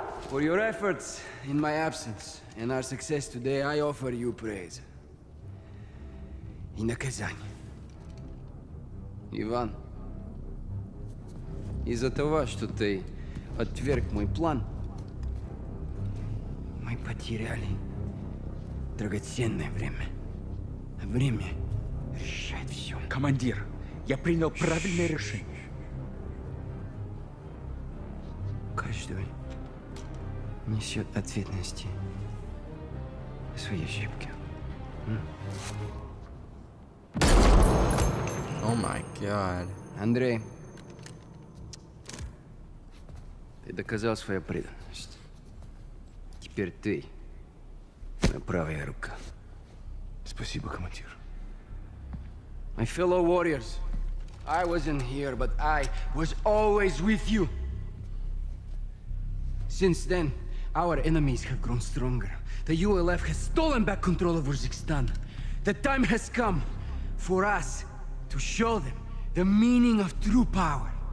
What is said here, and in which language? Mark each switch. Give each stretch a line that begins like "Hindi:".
English: for your efforts in my absence and our success today. I offer you praise. In the Kazan,
Russian: Иван, из-за того, что ты отверг мой план, мы потеряли драгоценное время. Время решает все. Командир, я принял правильное решение. Каждый несет ответственности за свои ошибки.
English: О, май гад.
Russian: Андрей, ты доказал свою преданность. Теперь ты моя правая рука. Спасибо, командир.
English: My fellow warriors, I wasn't here, but I was always with you. Since then, our enemies have grown stronger. The ULF has stolen back control of Uzbekistan. The time has come for us to show them the meaning of true power.